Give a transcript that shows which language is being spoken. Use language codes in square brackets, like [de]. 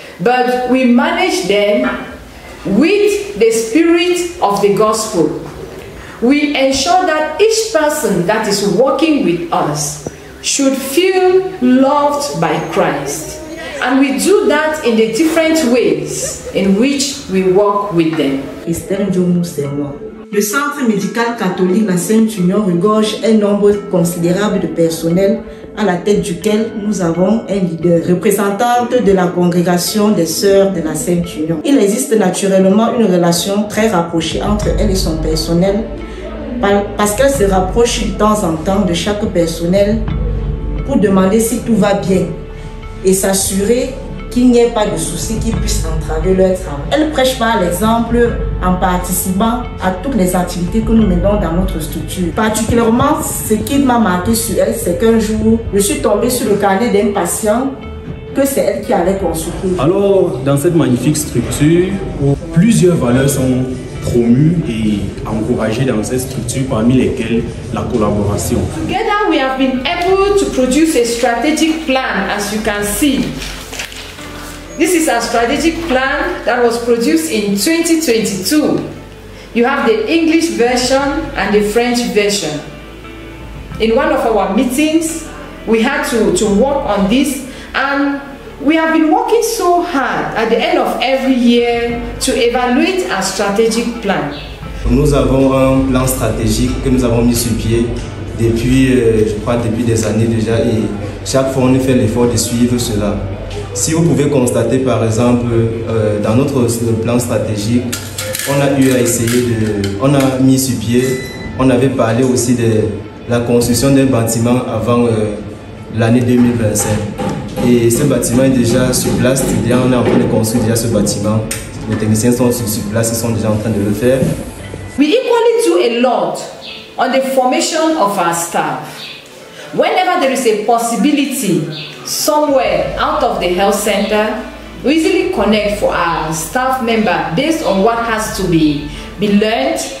[en] But we manage them with the spirit of the gospel. We ensure that each person that is working with us should feel loved by Christ. And we do that in the different ways in which we work with them. [fr] Le Centre Médical Catholique La Sainte Union regorge un nombre considérable de personnel à la tête duquel nous avons un leader, représentante de la Congrégation des Sœurs de la Sainte Union. Il existe naturellement une relation très rapprochée entre elle et son personnel parce qu'elle se rapproche de temps en temps de chaque personnel pour demander si tout va bien et s'assurer qu'il n'y ait pas de soucis qui puissent entraver leur travail. Elle prêche par l'exemple en participant à toutes les activités que nous menons dans notre structure. Particulièrement, ce qui m'a marqué sur elle, c'est qu'un jour, je suis tombée sur le carnet d'un patient que c'est elle qui allait consulter. Alors, dans cette magnifique structure, plusieurs valeurs sont promues et encouragées dans cette structure, parmi lesquelles la collaboration. [en] Together, we have been able to produce a strategic plan, as you can see. This is our strategic plan that was produced in 2022. You have the English version and the French version. In one of our meetings, we had to work on this, and we have been working so hard at the end of every year to evaluate our strategic plan. [fr] Nous avons un plan stratégique que nous avons mis sur pied depuis, je crois, depuis des années déjà, et chaque fois on fait l'effort de suivre cela. Si vous pouvez constater, par exemple, dans notre plan stratégique, on a eu à essayer de... On a mis sur pied, on avait parlé aussi de la construction d'un bâtiment avant l'année 2025. Et ce bâtiment est déjà sur place, c'est-à-dire on est en train de construire déjà ce bâtiment. Les techniciens sont sur place, ils sont déjà en train de le faire. [en] We equally do a lot on the formation of our staff. Whenever there is a possibility somewhere out of the health center, we easily connect for our staff member based on what has to be learned.